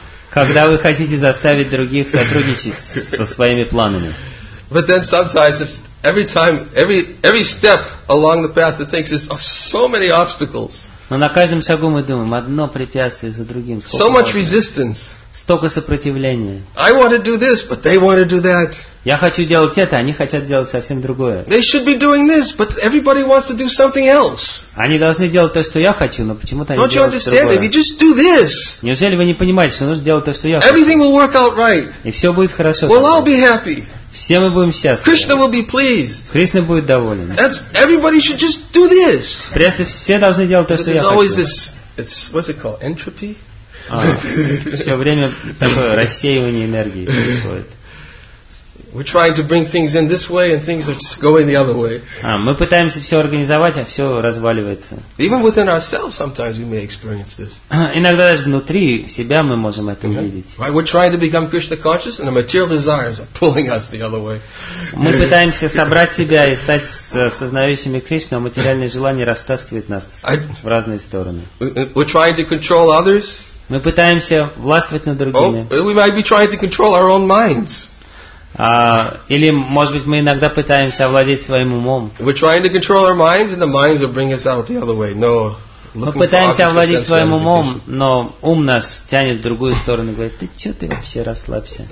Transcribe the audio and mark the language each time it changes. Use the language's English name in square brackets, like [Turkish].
[Russian] Когда вы хотите заставить других сотрудничать со своими планами? [English] But then sometimes, every step along the path, it takes us so many obstacles. [Russian] Но на каждом шагу мы думаем одно препятствие за другим. [English] So much resistance. [Russian] Столько сопротивления. [English] I want to do this, but they want to do that. [Russian] Я хочу делать это, они хотят делать совсем другое. [English] They should be doing this, but everybody wants to do something else. [Russian] Они должны делать то, что я хочу, но почему-то они делают другое. [English] Don't you understand? If you just do this, [Russian] неужели вы не понимаете, что нужно делать то, что я хочу? [English] Everything will work out right. [Russian] И все будет хорошо. [English] We'll all be happy. [Russian] Все мы будем счастливы. [English] Krishna will be pleased. [Russian] Кришна будет доволен. [English] That's everybody should just do this. [Russian] Просто все должны делать то, что я хочу. [English] There's always this, it's what's it called, entropy. [Russian] Все время такое рассеивание энергии происходит. [English] We're trying to bring things in this way, and things are just going the other way. [Russian] Мы пытаемся все организовать, а все разваливается. [English] Even within ourselves, sometimes we may experience this. [Russian] Иногда даже внутри себя мы можем это увидеть. [English] Right? We're trying to become Krishna conscious, and the material desires are pulling us the other way. [Russian] Мы пытаемся собрать себя и стать сознающими Кришну, а материальные желания растаскивают нас в разные стороны. [English] We're trying to control others. [Russian] Мы пытаемся властвовать над другими. [English] Oh, we might be trying to control our own minds. [Russian] Или, может быть, мы иногда пытаемся овладеть своим умом. [English] We're trying to control our minds, and the minds will bring us out the other way. No. [Russian] Мы пытаемся овладеть своим умом, но ум нас тянет в другую сторону и говорит: «Ты чё, ты вообще расслабься?»